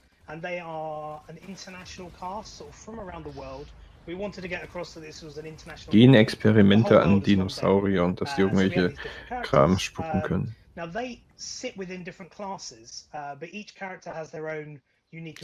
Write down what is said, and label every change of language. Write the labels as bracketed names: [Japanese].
[English] and they are an international cast, sort of from around the world. We wanted to get across that this was an international [German] Genexperimente an Dinosauriern, dass die irgendwelche Kram spucken können. [English] Now they sit within different classes, but each character has their own unique.